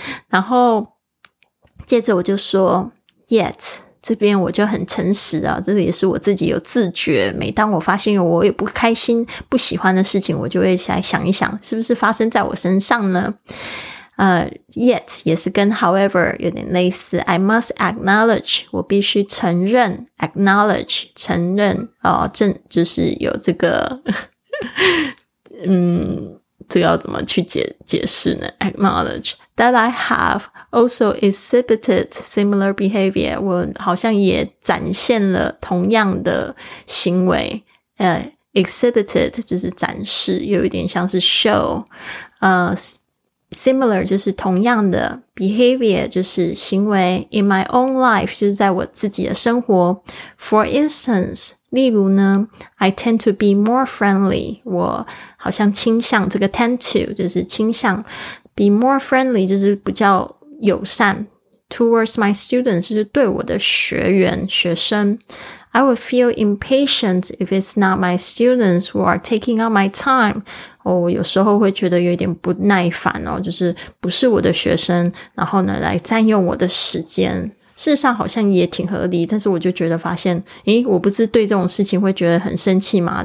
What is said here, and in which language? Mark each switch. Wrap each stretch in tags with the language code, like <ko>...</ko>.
<zh>然后接着我就说 yet， 这边我就很诚实啊，这个也是我自己有自觉，每当我发现我有不开心不喜欢的事情，我就会来想一想是不是发生在我身上呢。 yet 也是跟 however 有点类似，</zh> <en>I must acknowledge，</en> <zh>我必须承认， acknowledge 承认就是有这个这个要怎么去解释呢？</zh> <en>Acknowledge that I have also exhibited similar behavior，</en> <zh>我好像也展现了同样的行为。 Exhibited 就是展示，有一点像是 show。 Similar 就是同样的 behavior， 就是行为。</zh> <en>In my own life</en> <zh>就是在我自己的生活。</zh> <en>For instance，</en> <zh>例如呢</zh> <en>I tend to be more friendly，</en> <zh>我好像倾向，这个 tend to 就是倾向， be more friendly 就是比较友善，</zh> <en>towards my students</en> <zh>就是对我的学员学生。</zh> <en>I would feel impatient if it's not my students who are taking up my time，</en> <zh>我有时候会觉得有点不耐烦哦，就是不是我的学生然后呢来占用我的时间。事实上好像也挺合理，但是我就觉得发现我不是对这种事情会觉得很生气吗？</zh>